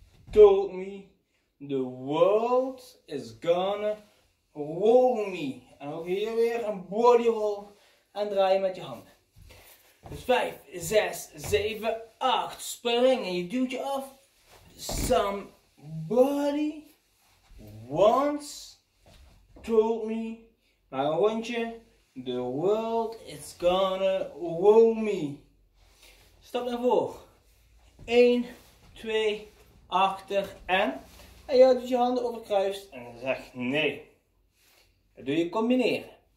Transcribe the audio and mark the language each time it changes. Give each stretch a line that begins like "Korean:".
English: Told me the world is gonna roll me.
Dutch: En ook hier weer een body roll en draaien met je handen. Dus 5, 6, 7, 8. Spring en je duwt je af.
English: Somebody once told me.
Dutch: Maar een rondje.
English: The world is gonna roll me.
Dutch: Stap naar voren. 1, 2, achter en je doet je handen overkruist en zegt nee. Dat doe je combineren.